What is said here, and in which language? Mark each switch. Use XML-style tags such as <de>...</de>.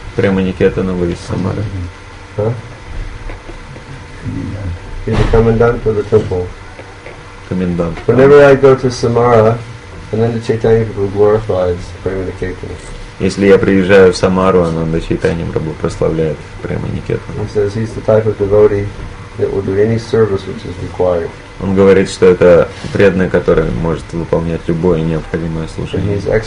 <ru>Преманикетана вы из Самары.</ru> <en>He's the commandant of the temple. Commandant. Whenever I go to Samara, Ananda Chaitanya Prabhu glorifies Преманикетана.</en> <ru>Если я приезжаю в Самару, Ананда Чайтанья Прабху прославляет Преманикетана.</ru> <en>He says he's the type of devotee that will do any service which is required.</en> <ru>Он говорит, что это преданный, который может выполнять любое необходимое служение.</ru>